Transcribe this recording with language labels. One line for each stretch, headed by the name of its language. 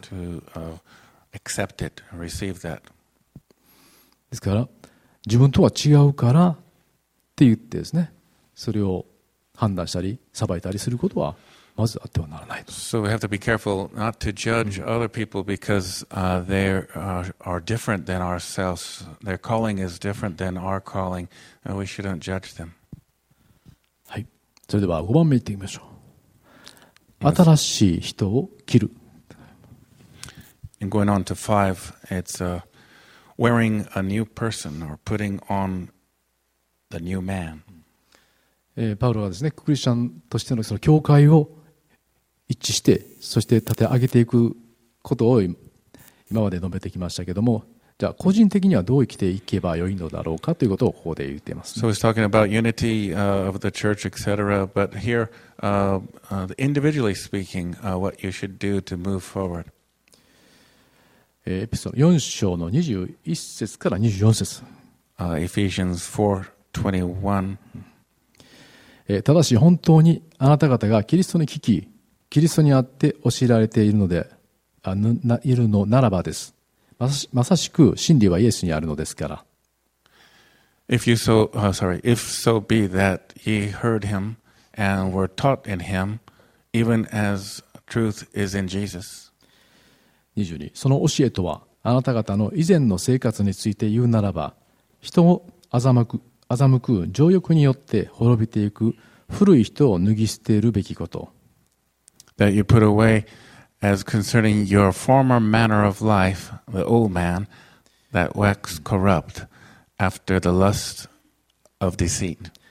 English: To accept it, receive that.
Japanese: ですから、自分とは違うからって言ってですね、それを判断したり、裁いたりすることは、まずあってはならないと。
English: So we have to be careful not to judge other people because they are different than ourselves. Their calling is different than our calling, and we shouldn't judge them.
Japanese: はい。それでは5番目いってみましょう。新しい人を切る。
English: And going on to five, it's wearing a new person or putting on the new man.
Japanese: パウロはですね、クリスチャンとしてのその教会を一致して、そして立て上げていくことを今まで述べてきましたけれども、じゃあ個人的にはどう生きていけばよいのだろうかということをここで言っています、ね。
English: So he's talking about unity of the church, etc. But here, individually speaking, what you should do to move forward.
Japanese: エピソード4章の21節から24節。
English: Ephesians 4:21.
Japanese: ただし本当にあなた方がキリストに聞き、キリストにあって教えられているのでいるのならばです。まさしく真理はイエスにあるのですから。
English: If so be that ye heard him and were taught in him, even as truth is in Jesus. 22.
Japanese: その教えとは、あなた方の以前の生活について言うならば、人を欺く情欲によって滅びていく古い人を脱ぎ捨てるべきこと。
English: That you put away as concerning your former manner of life, the old man, that wax corrupt after the lust of deceit.